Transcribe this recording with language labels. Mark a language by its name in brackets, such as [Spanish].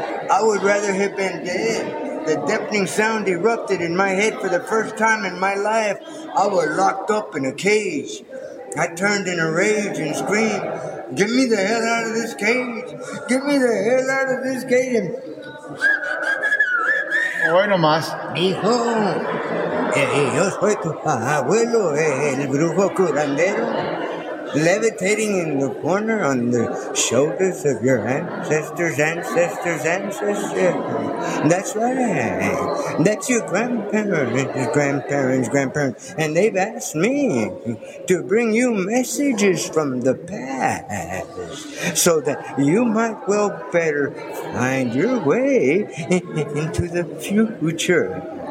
[English] I would rather have been dead. The deafening sound erupted in my head for the first time in my life. I was locked up in a cage. I turned in a rage and screamed, "Get me the hell out of this cage! Get me the hell out of this cage!" [Spanish] Oye nomás. Hijo, yo soy tu abuelo, el brujo curandero. [English] Levitating in the corner on the shoulders of your ancestors. That's right. That's your grandparents. And they've asked me to bring you messages from the past so that you might well better find your way into the future.